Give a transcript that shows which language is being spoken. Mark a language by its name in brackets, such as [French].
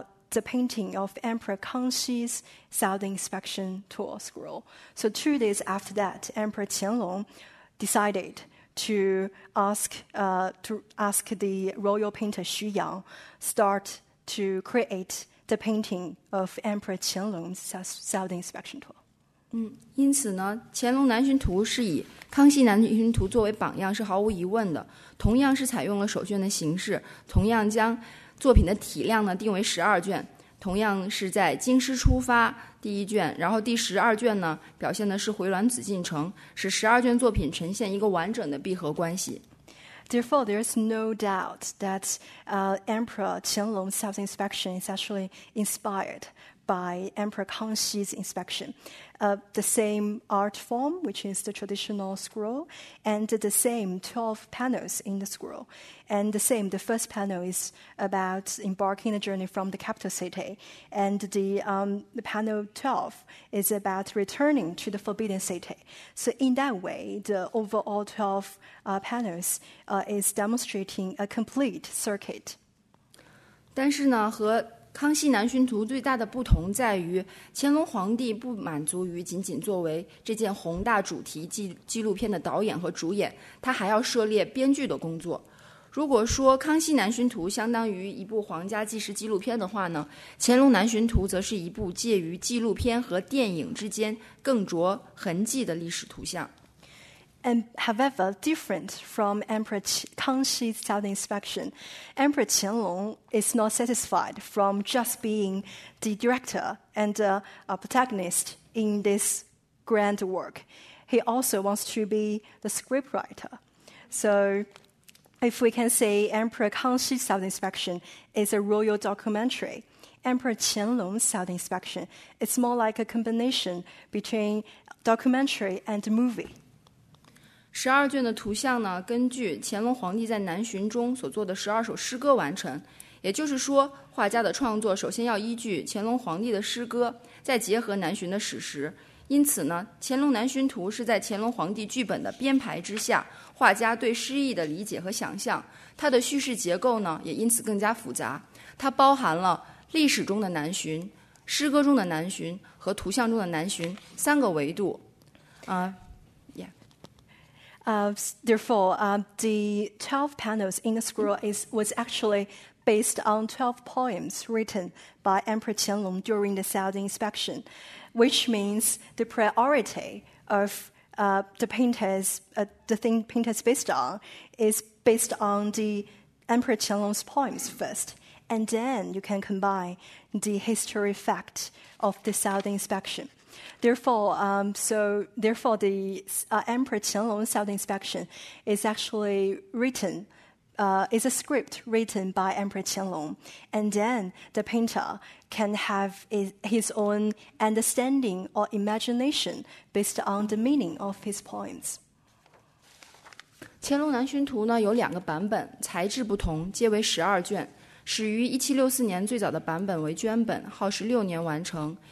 [English] the painting of Emperor Kangxi's southern inspection tour scroll. So 2 days after that, Emperor Qianlong decided to ask the royal painter Xu Yang start to create the painting of Emperor Qianlong's southern inspection tour. [Chinese] 因此呢，乾隆南巡图是以康熙南巡图作为榜样是毫无疑问的。同样是采用了手卷的形式，同样将作品的体量呢定为12卷，同样是在京师出发第一卷，然后第12卷呢表现的是回銮紫禁城，使12卷作品呈现一个完整的闭合关系。 [English] Therefore, there is no doubt that Emperor Qianlong's south inspection is actually inspired by Emperor Kangxi's inspection. The same art form, which is the traditional scroll, and the same 12 panels in the scroll. And the same, the first panel is about embarking a journey from the capital city. And the panel 12 is about returning to the forbidden city. So in that way, the overall 12 panels is demonstrating a complete circuit. [Chinese] 但是呢，和康熙南巡图最大的不同在于，乾隆皇帝不满足于仅仅作为这件宏大主题纪录片的导演和主演，他还要涉猎编剧的工作。如果说康熙南巡图相当于一部皇家纪实纪录片的话呢，乾隆南巡图则是一部介于纪录片和电影之间更着痕迹的历史图像。 [English] And however, different from Emperor Kangxi's southern inspection, Emperor Qianlong is not satisfied from just being the director and a protagonist in this grand work. He also wants to be the scriptwriter. So if we can say Emperor Kangxi's southern inspection is a royal documentary, Emperor Qianlong's southern inspection is more like a combination between documentary and movie. [Chinese] 十二卷的图像呢，根据乾隆皇帝在南巡中所做的12首诗歌完成。也就是说，画家的创作首先要依据乾隆皇帝的诗歌，再结合南巡的史实。因此呢，乾隆南巡图是在乾隆皇帝剧本的编排之下，画家对诗意的理解和想象。它的叙事结构呢，也因此更加复杂。它包含了历史中的南巡、诗歌中的南巡和图像中的南巡三个维度。 [English] Therefore, the 12 panels in the scroll was actually based on 12 poems written by Emperor Qianlong during the southern inspection, which means the priority of the thing painter is based on is based on the Emperor Qianlong's poems first, and then you can combine the history fact of the southern inspection. Therefore, the Emperor Qianlong's southern inspection is actually written, is a script written by Emperor Qianlong. And then the painter can have his own understanding or imagination based on the meaning of his poems. [Chinese] 乾隆南巡图呢有两个版本，材质不同，皆为12卷。始于1764年，最早的版本为绢本，耗时6年完成。